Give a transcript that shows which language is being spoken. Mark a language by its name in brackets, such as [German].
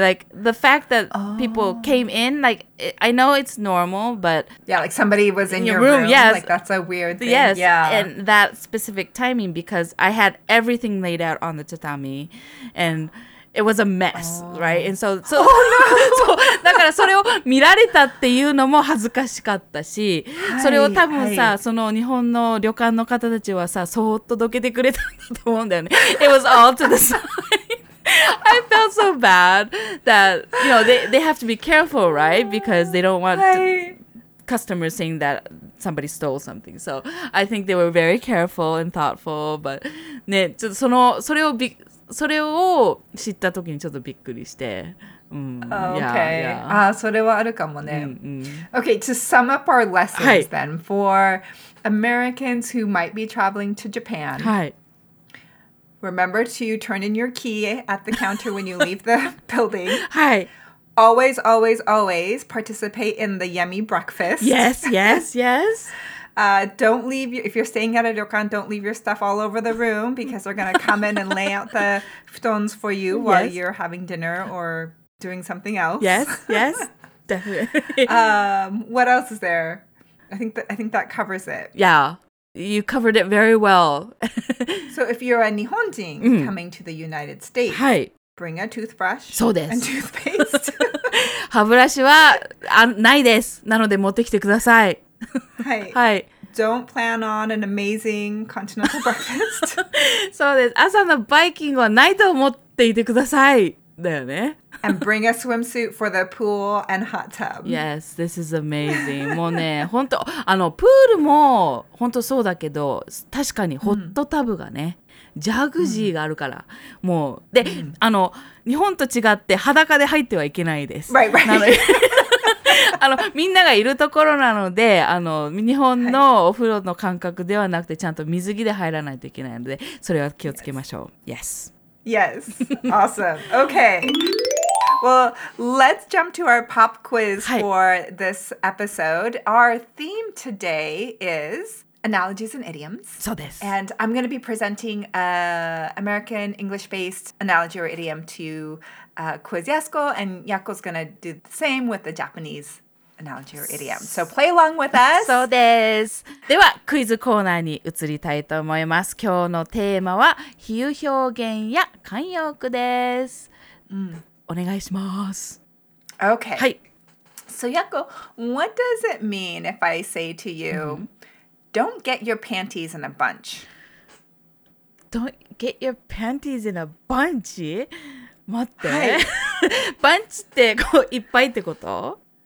[English] Like, the fact that people came in, like, I know it's normal, but... Yeah, like somebody was in your room. Yes. Like, that's a weird thing. Yes, yeah. And that specific timing, because I had everything laid out on the tatami, and it was a mess, right? And so... Oh, no! [Japanese] So, だからそれを見られたっていうのも恥ずかしかったし、それを多分さ、その日本の旅館の方たちはさ、そーっとどけてくれたんだと思うんだよね。 [English] It was all to the side. I felt so bad that, you know, they have to be careful, right? Because they don't want customers saying that somebody stole something. So I think they were very careful and thoughtful. [Japanese] But, ね、ちょっとそれを知った時にちょっとびっくりして。 Okay. それはあるかもね。 [English] Okay, to sum up our lessons then, for Americans who might be traveling to Japan. Remember to turn in your key at the counter when you leave the building. Hi. Always, always, always participate in the yummy breakfast. Yes, yes, yes. Don't leave, if you're staying at a ryokan, don't leave your stuff all over the room because they're going to come in and lay out the futons for you while you're having dinner or doing something else. Yes, yes, definitely. What else is there? I think that covers it. Yeah. You covered it very well. So if you're a Nihonjin coming to the United States, bring a toothbrush and toothpaste. [Japanese] 歯ブラシはないです。なので持ってきてください。 [English] Don't plan on an amazing continental breakfast. [Japanese] そうです。朝のバイキングはないと思っていてください。だよね。 [English] And bring a swimsuit for the pool and hot tub. Yes, this is amazing. [Japanese] もうね、本当、プールも本当そうだけど、確かにホットタブがね、ジャグジーがあるから、もう、で、日本と違って裸で入ってはいけないです。 [English] Right, right. [Japanese] なので、みんながいるところなので、日本のお風呂の感覚ではなくて、ちゃんと水着で入らないといけないので、それは気をつけましょう。 [English] Yes. Yes. Awesome. Okay. Well, let's jump to our pop quiz for this episode. Our theme today is analogies and idioms. So this. And I'm going to be presenting an American English-based analogy or idiom to Quiz Yasuko, and Yako's going to do the same with the Japanese analogy or idiom. So play along with us. [Japanese] そうです。ではクイズコーナーに移りたいと思います。今日のテーマは比喩表現や慣用句です。お願いします。 [English] Okay. [Japanese] はい。 [English] So Yako, what does it mean if I say to you,、don't get your panties in a bunch? Don't get your panties in a bunch? [Japanese] 待って。はい、バンチってこういっぱいってこと?